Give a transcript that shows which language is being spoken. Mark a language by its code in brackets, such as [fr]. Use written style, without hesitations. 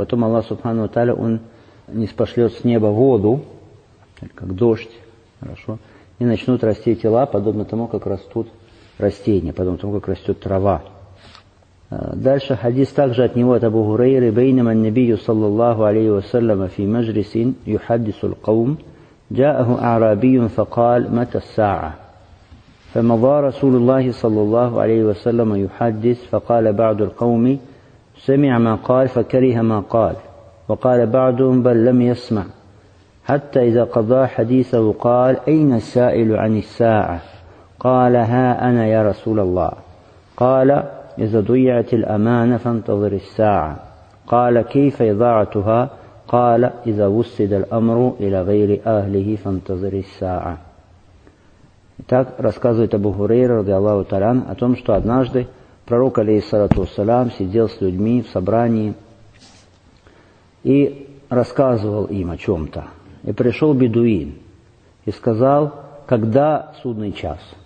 [ru] Потом Аллах Субхану ва Тааля, он ниспошлет с неба воду, как дождь, хорошо, и начнут расти тела, подобно тому, как растут растения, подобно тому, как растет трава. Дальше хадис также от него, от Абу Хурейры: [ar] بينما النبي صلى الله عليه وسلم في مجلس يحدث القوم جاءه أعرابي فقال متى الساعة فمضى رسول الله صلى الله عليه وسلم يحدث فقال بعض القوم سمع ما قال فكره ما قال وقال بعضهم بل لم يسمع حتى إذا قضى حديثه قال أين السائل عن الساعة قال ها أنا يا رسول الله قال إذا ضيعت الأمانة فانتظر الساعة قال كيف إضاعتها قال إذا وسد الأمر إلى غير أهله فانتظر الساعة. [ru] Так рассказывает Абу Хурейра, ради Аллаху Таран, о том, что однажды пророк, алейхиссалату ассалям, сидел с людьми в собрании и рассказывал им о чем-то. И пришел бедуин и сказал, когда судный час.